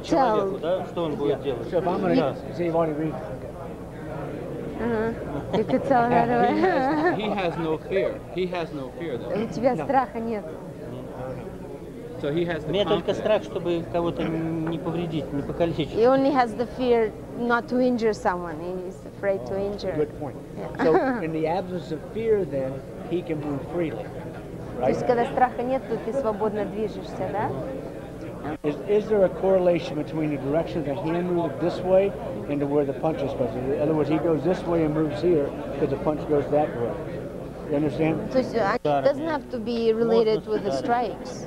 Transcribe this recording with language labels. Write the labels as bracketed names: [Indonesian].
[Russian] по человеку, да, что он будет делать. Все, вам рассказывает. [English] Uh-huh. You could tell right away. He has no fear. He has no fear, though. [Russian] У тебя страха нет. [English] So he has. [Russian] Мне только страх, чтобы кого-то не повредить, не покалечить. [English] He only has the fear not to injure someone. He's afraid to injure. Good point. Yeah. So in the absence of fear, then he can move freely, right? [Russian] То есть когда страха нет, то ты свободно движешься, да? [English] Is there a correlation between the direction of the hand move this way and to where the punch is supposed to be? In other words, he goes this way and moves here because the punch goes that way. You understand? So it doesn't have to be related with the strikes.